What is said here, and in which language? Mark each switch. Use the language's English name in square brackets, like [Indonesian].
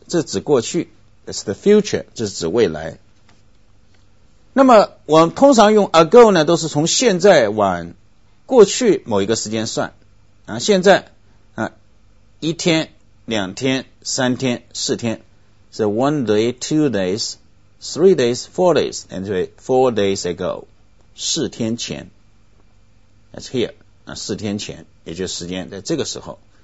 [Chinese] 这指过去。 [English] That's the future, [Chinese] 这是指未来。那么我们通常用 ago 呢都是从现在往过去某一个时间算啊，现在一天、两天、三天、四天， [English] So 1 day, 2 days, 3 days, 4 days, and 4 days ago. [Chinese] 四天前。 [English] That's here. [Chinese] 那四天前也就是时间在这个时候。